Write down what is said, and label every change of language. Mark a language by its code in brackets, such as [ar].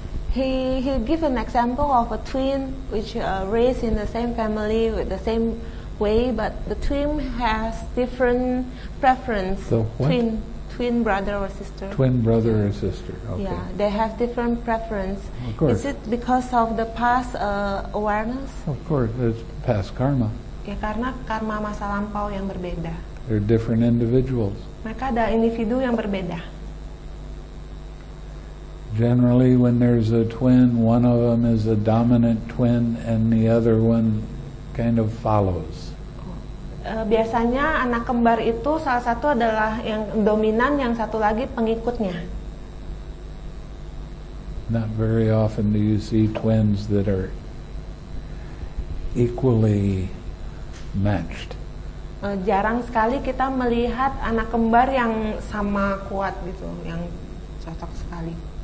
[en] He give an example of a twin which raised in the same family with the same way, but the twin has different preference. The what? Twin brother or sister. Twin brother or sister. Okay. Yeah, they have different preference. Of course. Is it because of the past awareness? Of course, it's past karma. [id] Ya, karena karma masa lampau yang berbeda. [en] They're different individuals. [id] Mereka ada individu yang berbeda. [en] Generally, when there's a twin, one of them is a dominant twin, and the other one kind of follows. [id] Biasanya anak kembar itu salah satu adalah yang dominan, yang satu lagi pengikutnya. [en] Not very often do you see twins that are equally matched. [id] Jarang sekali kita melihat anak kembar yang sama kuat gitu, yang cocok sekali.